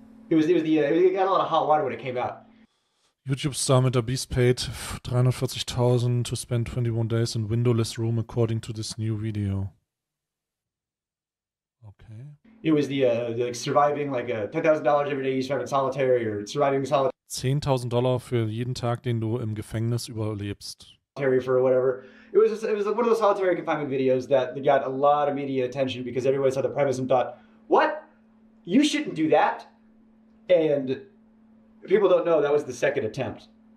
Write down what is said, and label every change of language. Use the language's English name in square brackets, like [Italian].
[English] It got a lot of hot water when it came out. YouTube star MrBeast paid $340,000 to spend 21 days in windowless room, according to this new video. Okay. It was the like surviving like a $10,000 every day you spend in solitary or surviving solitary. [German] $10,000 für jeden Tag, den du im Gefängnis überlebst. [English] Solitary for whatever. It was one of those solitary confinement videos that got a lot of media attention because everybody saw the premise and thought, "What? You shouldn't do that." And people don't know that was the second attempt.